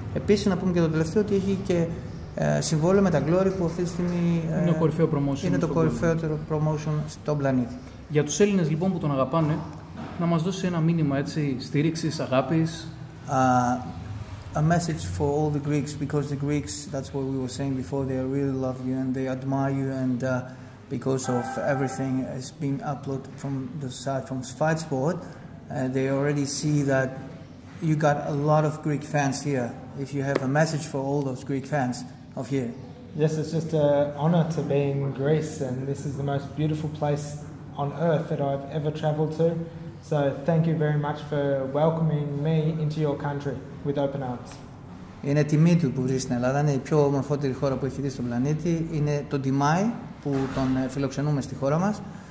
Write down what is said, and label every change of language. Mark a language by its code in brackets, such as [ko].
[el] Επίσης, να πούμε και το τελευταίο ότι έχει και συμβόλαιο με τα Glory που αυτή τη στιγμή είναι, κορυφαίο promotion, είναι το κορυφαίο promotion στον πλανήτη. Για τους Έλληνες λοιπόν που τον αγαπάνε, να μας δώσει ένα μήνυμα έτσι, στήριξης, αγάπης. [en] A message for all the Greeks, because the Greeks, that's what we were saying before, they really love you and they admire you and because of everything has been uploaded from the site, from Fightsport. They already see that you got a lot of Greek fans here. If you have a message for all those Greek fans of here. Yes, it's just an honor to be in Greece, and this is the most beautiful place on earth that I've ever traveled to. So thank you very much for welcoming me into your country with open arms. [el] Είναι τιμή του που βρίσκεται στην Ελλάδα, είναι η πιο όμορφότερη χώρα που έχει δει στον πλανήτη. Είναι το τιμάει που τον φιλοξενούμε στη χώρα μας.